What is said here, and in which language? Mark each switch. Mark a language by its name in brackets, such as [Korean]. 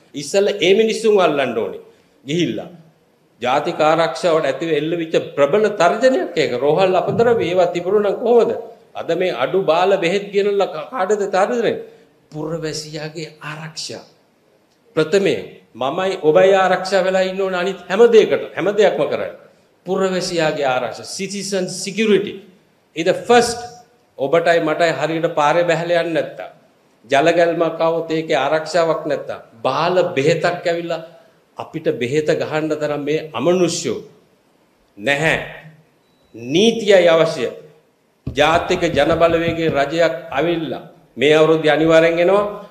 [Sinhala] ඉස්සෙල්ලා ඒ මිනිස්සුන් අල්ලන්න ඕනේ ගිහිල්ලා. ජාතික ආරක්ෂාවට ඇති එල්ලවිච්ච ප්‍රබල තර්ජනයක් ඒක. රෝහල් අපද්‍රව්‍ය ඒවා තිබුණ නම් කොහොමද අද මේ අඩු බාල බෙහෙත් ගෙනල්ලා කාටද තර්ජනය? පුරවැසියාගේ ආරක්ෂා, ප්‍රථමයෙන් මමයි ඔබයි ආරක්ෂා වෙලා ඉන්න ඕන අනිත් හැම දෙයකට හැම දෙයක්ම කරන්න. පුරවැසියාගේ ආරක්ෂා [English] citizen security is the first. [Sinhala] ඔබටයි මටයි හරියට පාරේ බැහැලා යන්න නැත්තම් ජල ගැල්මක් આવොත් ඒකේ ආරක්ෂාවක් නැත්තම් බාල බෙහෙතක් ඇවිල්ලා අපිට බෙහෙත ගහන්න තරම් මේ අමනුෂ්‍යෝ නැහැ. නීතියයි අවශ්‍ය. ජාතික ජන බලවේගයේ රජයක් ඇවිල්ලා මේ අවුරුද්ද අනිවාර්යෙන් එනවා.